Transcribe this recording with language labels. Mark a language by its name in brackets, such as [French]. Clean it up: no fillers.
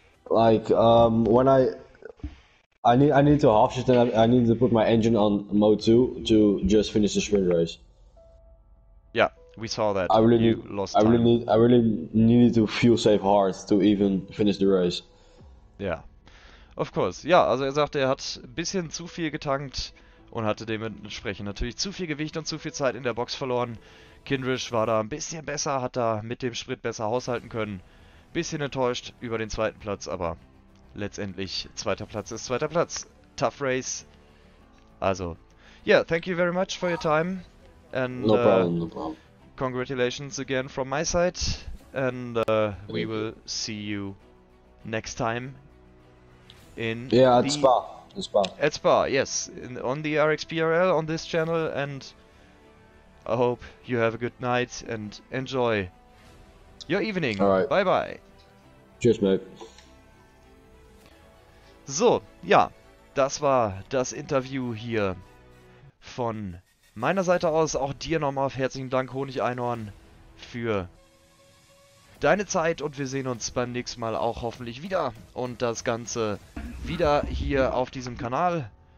[English] Like when I need to half shift and I need to put my engine on mode 2 to just finish the sprint race. Yeah, we saw that. I really needed to fuel save hard to even finish the race. Yeah. Of course. [German] Ja, also er sagte, er hat ein bisschen zu viel getankt und hatte dementsprechend natürlich zu viel Gewicht und zu viel Zeit in der Box verloren. Kindresh war da ein bisschen besser, hat da mit dem Sprit besser haushalten können. Bisschen enttäuscht über den zweiten Platz, aber letztendlich zweiter Platz ist zweiter Platz. [English] Tough race. Also, yeah, thank you very much for your time. And, no problem. Congratulations again from my side. And we will see you next time in at Spa. At Spa, yes, on the RXBRL on this channel, and I hope you have a good night and enjoy your evening. All right. Bye bye. Cheers, mate. [German] So, ja, das war das Interview hier von meiner Seite aus. Auch dir nochmal auf herzlichen Dank, Honigeinhorn, für deine Zeit. Und wir sehen uns beim nächsten Mal auch hoffentlich wieder. Und das Ganze wieder hier auf diesem Kanal.